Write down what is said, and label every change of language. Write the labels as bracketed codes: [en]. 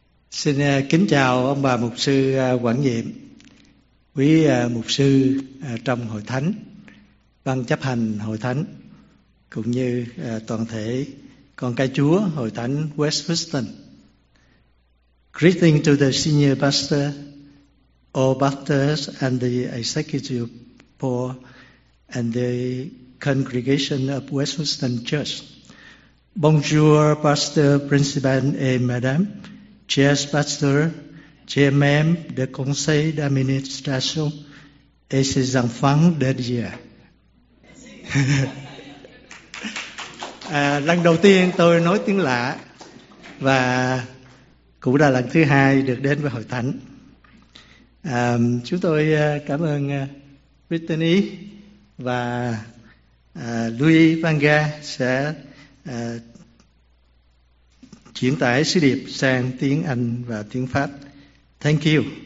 [vi] Xin kính chào ông bà mục sư quản nhiệm, quý mục sư trong hội thánh, ban chấp hành hội thánh, cũng như toàn thể con cái Chúa hội thánh West Houston. [en] Greeting to the senior pastor, all pastors and the executive board and the congregation of West Houston Church. [fr] Bonjour, Pastor Principal et Madame, Chair Pastor, Chairman de Conseil d'Administration et ses enfants dédiés. [vi] Lần đầu tiên tôi nói tiếng lạ và cũng là lần thứ hai được đến với Hội Thánh. Chúng tôi cảm ơn Brittany và Louis Vanga sẽ chuyển tải sứ điệp sang tiếng Anh và tiếng Pháp. [en] Thank you.